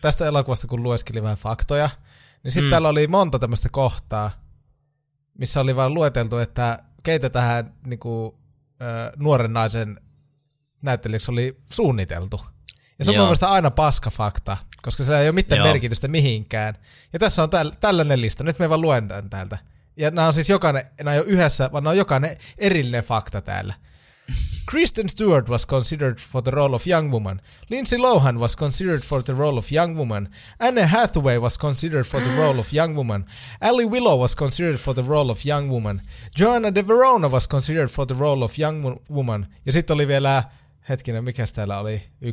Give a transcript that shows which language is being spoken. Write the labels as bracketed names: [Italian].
[Finnish] Tästä elokuvasta, kun lueskeli vähän faktoja, niin sitten täällä oli monta tämmöistä kohtaa, missä oli vaan lueteltu, että keitä tähän niin kuin, nuoren naisen näyttelijäksi oli suunniteltu. Ja se on mielestäni aina paskafakta, koska se ei ole mitään merkitystä mihinkään. Ja tässä on tällainen lista, nyt me vaan luen tämän täältä. Ja nämä on siis jokainen erillinen fakta täällä. [English] Kristen Stewart was considered for the role of young woman. Lindsay Lohan was considered for the role of young woman. Anne Hathaway was considered for the role of young woman. Ally Willow was considered for the role of young woman. Joanna de Verona was considered for the role of young woman. [Finnish] Ja sitten oli vielä, hetkinen, mikäs täällä oli?